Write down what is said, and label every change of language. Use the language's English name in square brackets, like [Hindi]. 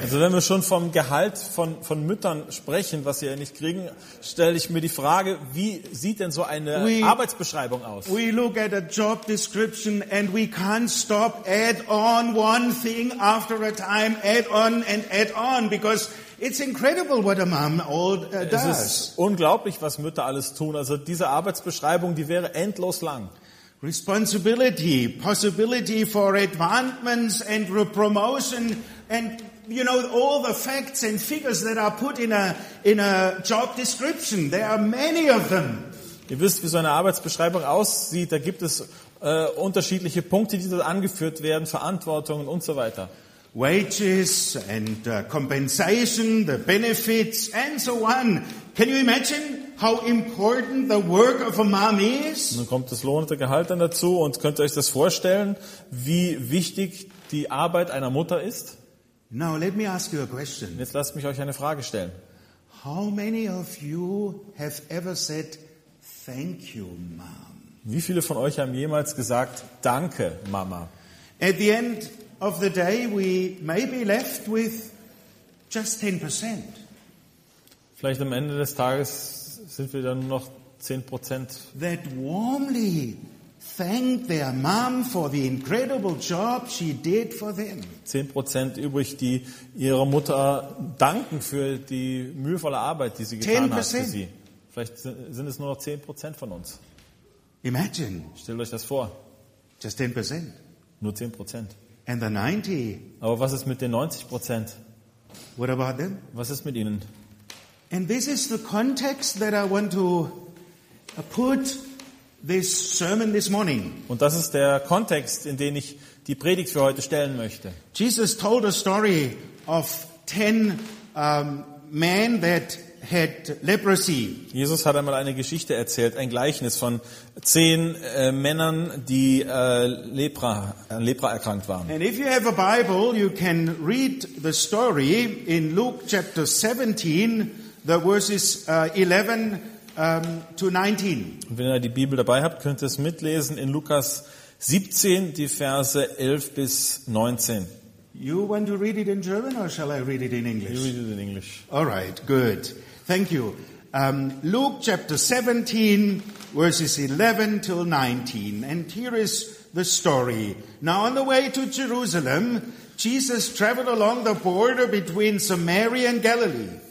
[German] Also wenn wir schon vom Gehalt von Müttern sprechen, was sie ja nicht kriegen, stelle ich mir die Frage, wie sieht denn so eine Arbeitsbeschreibung aus? [English] We look at a job description and we can't stop add on one thing after a time, add on and add on, because it's incredible what a mom all does. [German] Es ist unglaublich, was Mütter alles tun. Also diese Arbeitsbeschreibung, die wäre endlos lang. [English] Responsibility, possibility for advancements and promotion, and you know all the facts and figures that are put in a job description. There are many of them. [German] Ihr wisst, wie so eine Arbeitsbeschreibung aussieht. Da gibt es unterschiedliche Punkte, die dort angeführt werden, Verantwortungen und so weiter. [English] Wages and compensation, the benefits and so on. Can you imagine how important the work of a mom is? [German] Dann kommt das Lohn und der Gehalt dann dazu und könnt ihr euch das vorstellen, wie wichtig die Arbeit einer Mutter ist? [English] Now let me ask you a question. [German] Jetzt lasst mich euch eine Frage stellen. [English] How many of you have ever said thank you, mom? [German] Wie viele von euch haben jemals gesagt danke, Mama? [English] At the end of the day we may be left with just 10%. [German] Vielleicht am Ende des Tages sind wir dann nur noch 10%. [English] That warmly thanked their mom for the incredible job she did for them. [German] 10% übrig, die ihrer Mutter danken für die mühevolle Arbeit, die sie getan hat für sie. Vielleicht sind es nur noch 10% von uns. [English] Imagine. [German] Stellt euch das vor. [English] Just 10%. [German] Nur 10%. [English] And the 90. [German] Aber was ist mit den 90%? [English] What about them? [German] Was ist mit ihnen? [English] And this is the context that I want to put this sermon this morning. [German] Und das ist der Kontext, in den ich die Predigt für heute stellen möchte. [English] Jesus told a story of 10 men that had leprosy. [German] Jesus hat einmal eine Geschichte erzählt, ein Gleichnis von 10 Männern, die Lepra erkrankt waren. [English] And if you have a Bible, you can read the story in Luke chapter 17. The verses 11 to 19. [German] Und wenn ihr die Bibel dabei habt, könnt ihr es mitlesen in Lukas 17, die Verse 11 bis 19. [English] You want to read it in German or shall I read it in English? You read it in English. All right, good. Thank you. Luke chapter 17, verses 11 till 19. And here is the story. Now on the way to Jerusalem, Jesus traveled along the border between Samaria and Galilee.